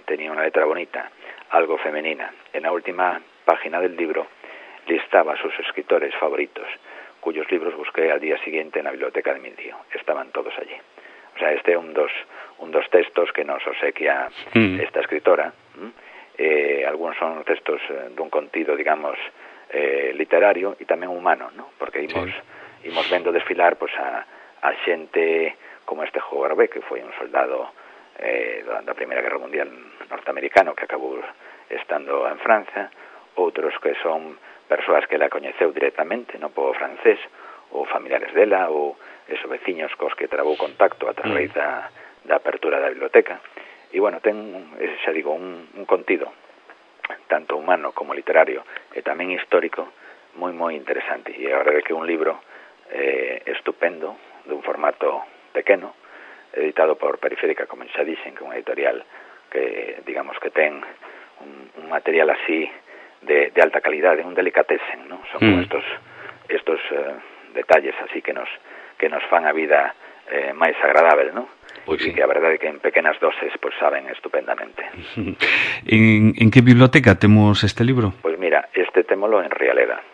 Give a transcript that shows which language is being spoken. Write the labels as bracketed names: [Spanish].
[Spanish] tenía una letra bonita, algo femenina. En la última página del libro listaba a sus escritores favoritos, cuyos libros busqué al día siguiente en la biblioteca de mi tío. Estaban todos allí. [Galician] O sea, este es un dos textos que nos obsequia esta escritora. Algunos son textos de un contido, digamos, literario y también humano, ¿no? Porque imos vendo desfilar pues a xente como este Howard B., que foi un soldado da Primeira Guerra Mundial norteamericano que acabou estando en Francia, outros que son persoas que la coñeceu directamente, no povo francés, ou familiares dela, ou esos veciños cos que trabou contacto a través da apertura da biblioteca. E, bueno, ten, xa digo, un contido, tanto humano como literario, e tamén histórico, moi, moi interesante. E agora que un libro estupendo, dun formato pequeno, editado por Periférica, como xa dixen, que é unha editorial que, digamos, que ten un material así de alta calidade, un delicatessen, ¿no? Son estos detalles así que nos fan a vida máis agradable, ¿no? Pues sí. Que a verdade é que en pequenas doses pues saben estupendamente. ¿En que biblioteca temos este libro? Pues mira, este témolo en Rialeda.